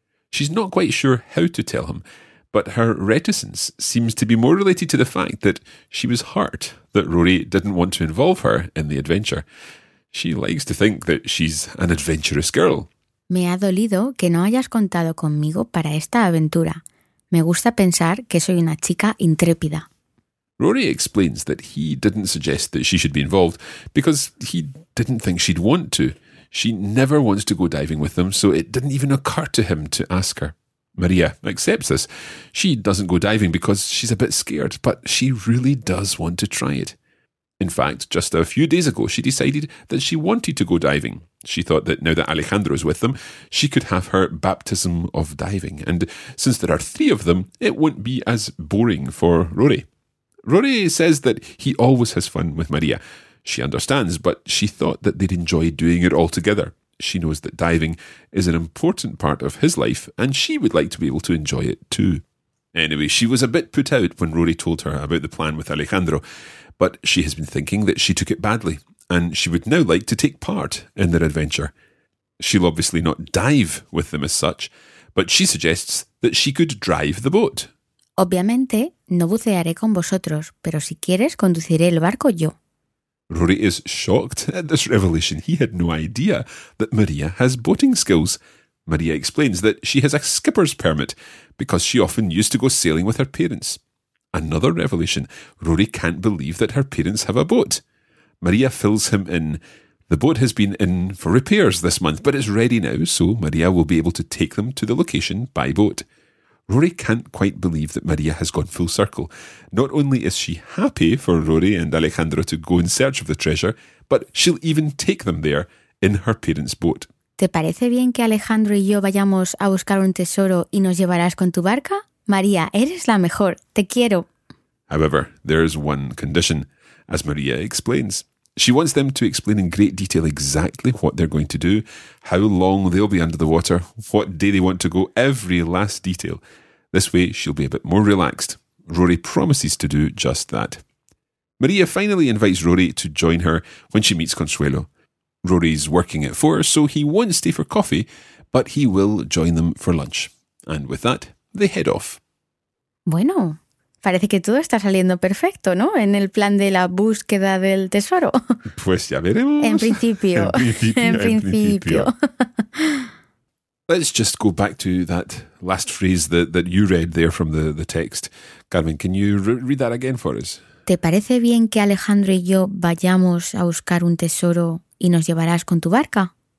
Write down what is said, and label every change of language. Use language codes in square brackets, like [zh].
[en] She's not quite sure how to tell him, but her reticence seems to be more related to the fact that she was hurt that Rory didn't want to involve her in the adventure. She likes to think that she's an adventurous girl. [es] Me ha dolido que no hayas contado conmigo para esta aventura. Me gusta pensar que soy una chica intrépida. [en] Rory explains that he didn't suggest that she should be involved because he didn't think she'd want to. She never wants to go diving with them, so it didn't even occur to him to ask her. Maria accepts this. She doesn't go diving because she's a bit scared, but she really does want to try it. In fact, just a few days ago, she decided that she wanted to go diving. She thought that now that Alejandro is with them, she could have her baptism of diving. And since there are three of them, it wouldn't be as boring for Rory. Rory says that he always has fun with Maria. She understands, but she thought that they'd enjoy doing it all together. She knows that diving is an important part of his life, and she would like to be able to enjoy it too. Anyway, she was a bit put out when Rory told her about the plan with Alejandro, but she has been thinking that she took it badly, and she would now like to take part in their adventure. She'll obviously not dive with them as such, but she suggests that she could drive the boat. [es] Obviamente, no bucearé con vosotros, pero si quieres, conduciré el barco yo. [en] Rory is shocked at this revelation. He had no idea that Maria has boating skills. Maria explains that she has a skipper's permit because she often used to go sailing with her parents. Another revelation. Rory can't believe that her parents have a boat. Maria fills him in. The boat has been in for repairs this month, but it's ready now, so Maria will be able to take them to the location by boat. Rory can't quite believe that Maria has gone full circle. Not only is she happy for Rory and Alejandro to go in search of the treasure, but she'll even take them there in her parents' boat. [es] ¿Te parece bien que Alejandro y yo vayamos a buscar un tesoro y nos llevarás con tu barca? María, eres la mejor. Te quiero. [en] However, there's one condition, as Maria explains. She wants them to explain in great detail exactly what they're going to do, how long they'll be under the water, what day they want to go, every last detail. This way, she'll be a bit more relaxed. Rory promises to do just that. Maria finally invites Rory to join her when she meets Consuelo. Rory's working at 4, so he won't stay for coffee, but he will join them for lunch. And with that, they head off. [es] Bueno. Parece que todo está saliendo perfecto, ¿no? En el plan de la búsqueda del tesoro. Pues ya veremos. En principio. En principio. [en] Let's just go back to that last phrase that you read there from the text. Carmen, can you read that again for us? [es] ¿Te parece bien que Alejandro y yo vayamos a buscar un tesoro y nos llevarás con tu barca?